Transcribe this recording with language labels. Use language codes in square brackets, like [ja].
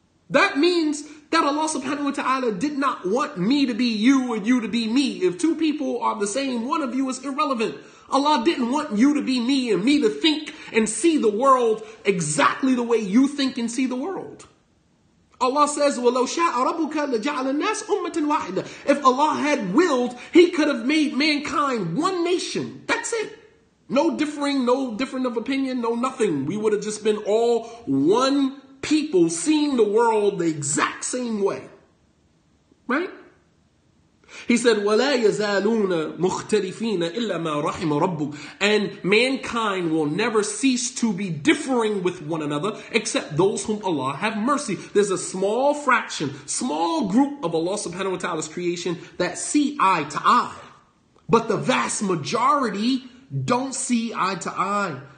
[en] That means that Allah subhanahu wa ta'ala did not want me to be you and you to be me. If two people are the same, one of you is irrelevant. Allah didn't want you to be me and me to think and see the world exactly the way you think and see the world. [ar] Allah says, وَلَوْ شَاءَ رَبُّكَ لَجَعْلَ النَّاسِ أُمَّةً وَاحِدًا. [en] If Allah had willed, He could have made mankind one nation. That's it. No differing, no different of opinion, no nothing. We would have just been all one people seeing the world the exact same way. Right? [ar] He said, وَلَا يَزَالُونَ مُخْتَلِفِينَ إِلَّا مَا رَحِمَ رَبُّكَ. [en] And mankind will never cease to be differing with one another except those whom Allah have mercy. There's a small fraction, small group of Allah subhanahu wa ta'ala's creation that see eye to eye. But the vast majority don't see eye to eye.